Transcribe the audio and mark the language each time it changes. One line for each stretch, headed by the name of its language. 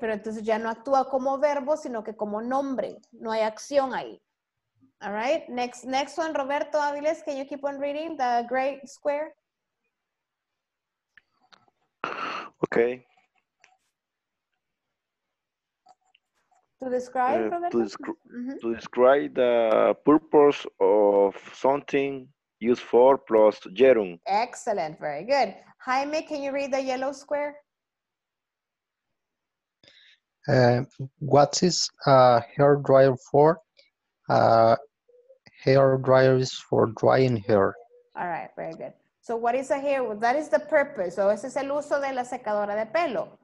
Spanish: Pero entonces ya no actúa como verbo, sino que como nombre. No hay acción ahí.
English: All right? Next one, Roberto Aviles, can you keep on reading the gray square? Okay. To describe, To describe the purpose of something, use for plus gerund. Excellent, very good. Jaime, can you read the yellow square? What is a hair dryer for? Hair dryer is for drying hair. All right, very good. So what is a hair, that is the purpose.
Spanish: So ese es el uso de la secadora de pelo.